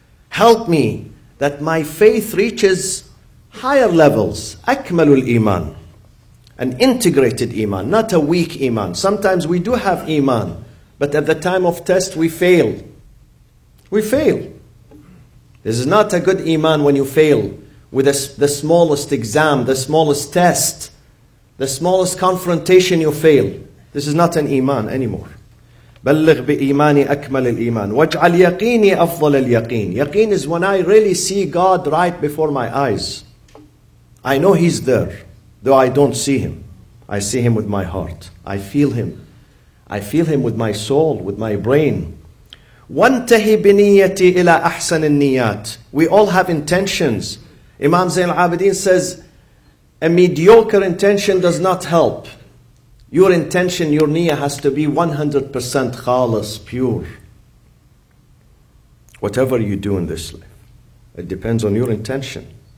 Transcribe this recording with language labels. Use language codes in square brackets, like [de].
[en] Help me that my faith reaches higher levels, akmal al-iman. An integrated iman, not a weak iman. Sometimes we do have iman, But at the time of test, we fail. We fail. This is not a good iman when you fail with the smallest exam, the smallest test, the smallest confrontation, you fail. This is not an iman anymore. [ar] بلغ بإيماني أكمل الإيمان واجعل يقيني أفضل اليقين. [en] Yaqeen is when I really see God right before my eyes. I know He's there, though I don't see Him. I see Him with my heart. I feel Him. I feel Him with my soul, with my brain. [ar] وانتهي بنيتي إلى أحسن النيات. [en] We all have intentions. Imam Zain al-Abidin says, a mediocre intention does not help. Your intention, your niyyah has to be 100% khalas, pure. Whatever you do in this life, it depends on your intention.